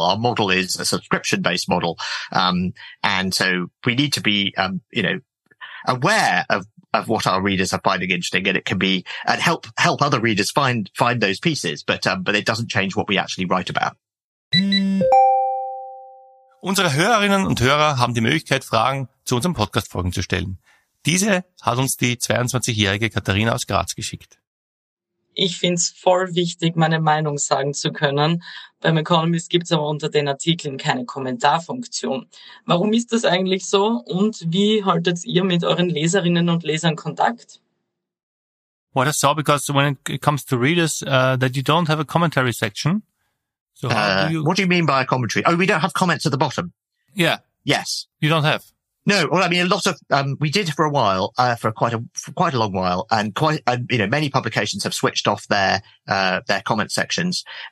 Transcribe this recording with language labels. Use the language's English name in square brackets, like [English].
[English] Our model is a subscription based model. And so we need to be, you know, aware of what our readers are finding interesting, and it can be, and help other readers find those pieces. But it doesn't change what we actually write about. [German] Unsere Hörerinnen und Hörer haben die Möglichkeit, Fragen zu unseren Podcast-Folgen zu stellen. Diese hat uns die 22-jährige Katharina aus Graz geschickt. Ich finde es voll wichtig, meine Meinung sagen zu können. Beim Economist gibt es aber unter den Artikeln keine Kommentarfunktion. Warum ist das eigentlich so und wie haltet ihr mit euren Leserinnen und Lesern Kontakt? [English] Well, that's so, because when it comes to readers, that you don't have a commentary section. So what do you mean by a commentary? Oh, we don't have comments at the bottom. Yeah. Yes. You don't have? No. Well, I mean, a lot of, we did for a while, for quite a long while, and you know, many publications have switched off their comment sections.